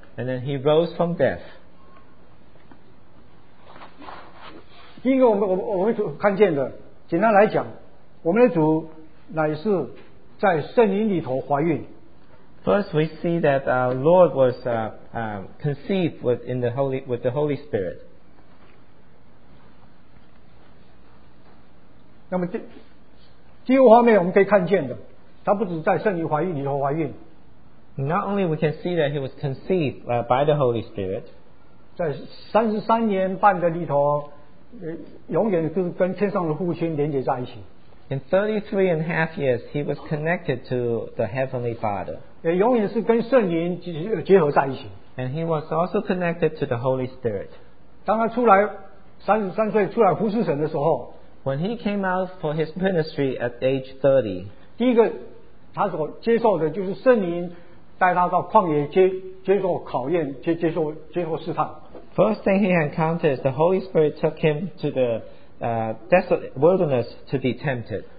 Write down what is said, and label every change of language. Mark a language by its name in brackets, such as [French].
[English] and then He rose from death. [Chinese] 第一个我们看见的, 简单来讲, 我们的主乃是在圣灵里头怀孕, [English] First, we see that our Lord was conceived with the Holy Spirit. [Chinese] 那么第二方面我们可以看见的, 他不只在圣灵怀孕里头怀孕, [English] Not only we can see that He was conceived by the Holy Spirit, [Chinese] 在33年半的里头, 永远是跟天上的父亲连接在一起, [English] In 33 and a half years, He was connected to the Heavenly Father. [Chinese] 也永远是跟圣灵结合在一起, [English] and He was also connected to the Holy Spirit. [Chinese] 当他出来, 33岁出来服侍神的时候, [English] when He came out for His ministry at age 30, [Chinese] 第一个, 他所接受的就是圣灵带他到旷野接受考验, 接受试探。 [English] First thing He encountered is the Holy Spirit took Him to the desert wilderness to be tempted.